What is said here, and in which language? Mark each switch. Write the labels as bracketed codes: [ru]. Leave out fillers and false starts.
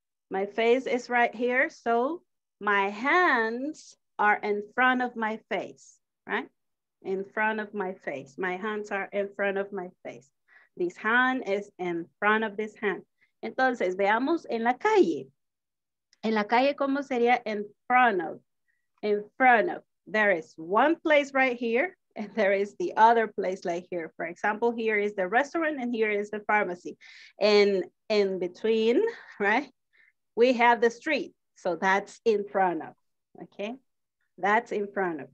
[en] My face is right here, so my hands are in front of my face, right? In front of my face. My hands are in front of my face. This hand is in front of this hand. [es] Entonces, veamos en la calle. En la calle, ¿cómo sería [en] in front of? In front of. There is one place right here, and there is the other place right here. For example, here is the restaurant, and here is the pharmacy. And in between, right, we have the street. So that's in front of, okay? That's in front of.